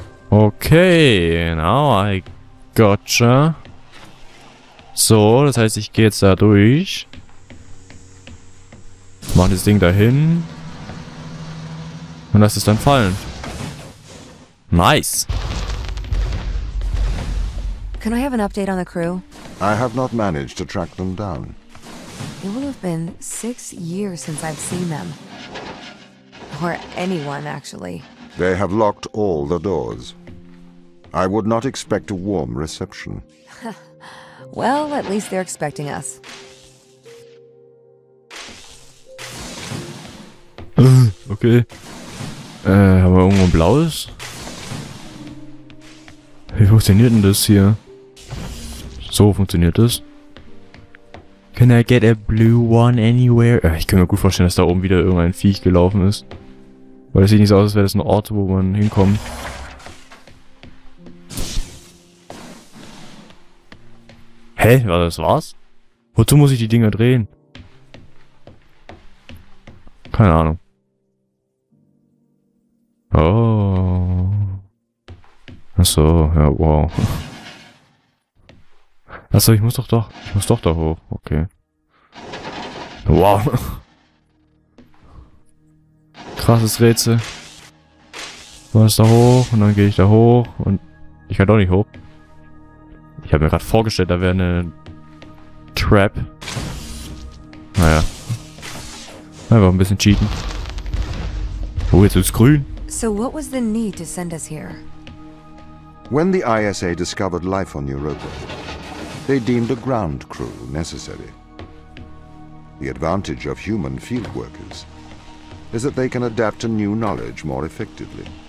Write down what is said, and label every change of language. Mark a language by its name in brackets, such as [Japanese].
[English] Okay, now I gotcha. [German] So, das heißt, ich gehe jetzt da durch. Mach das Ding dahin und lass es dann fallen. [English] Nice. Can I have an update on the crew? I have not managed to track them down. It will have been 6 years since I've seen them, or anyone actually. They have locked all the doors. I would not expect a warm reception. Well, at least they're expecting us. Okay. [German] Haben wir irgendwo ein blaues? Wie funktioniert denn das hier? So funktioniert das. [English] Can I get a blue one anywhere? [German] Ich kann mir gut vorstellen, dass da oben wieder irgendein Viech gelaufen ist. Weil es sieht nicht so aus, als wäre das ein Ort, wo man hinkommt. Hä? War das was? Wozu muss ich die Dinger drehen? Keine Ahnung. Oh. Achso, ja, wow. Achso, ich muss doch da hoch, okay. Wow. Krasses Rätsel. Du musst da hoch und dann gehe ich da hoch und ich kann doch nicht hoch. Ich habe mir gerade vorgestellt, da wäre eine Trap. Naja. Einfach ein bisschen cheaten. Oh, jetzt ist grün. [English] So what was the need to send us here? When the ISA discovered life on Europa, they deemed a ground crew necessary. The advantage of human field workers is that they can adapt to new knowledge more effectively.